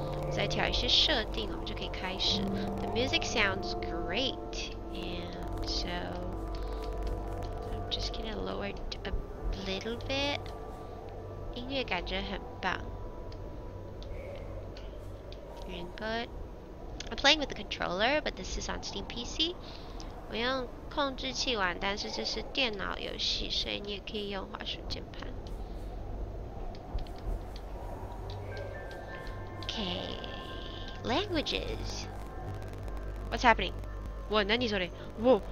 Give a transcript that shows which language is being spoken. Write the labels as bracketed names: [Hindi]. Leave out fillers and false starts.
[Chinese] 再调一些设定，我们就可以开始。 [English] The music sounds great. And so, I'm just gonna lower it a little bit. [Chinese] 音乐感觉很棒。 [English] Input. I'm playing with the controller, but this is on Steam PC. [Chinese] 我用控制器玩，但是这是电脑游戏，所以你也可以用滑鼠键盘。 [English] Okay, languages. What's happening? [Chinese] 我哪里说的？ [English] Whoa.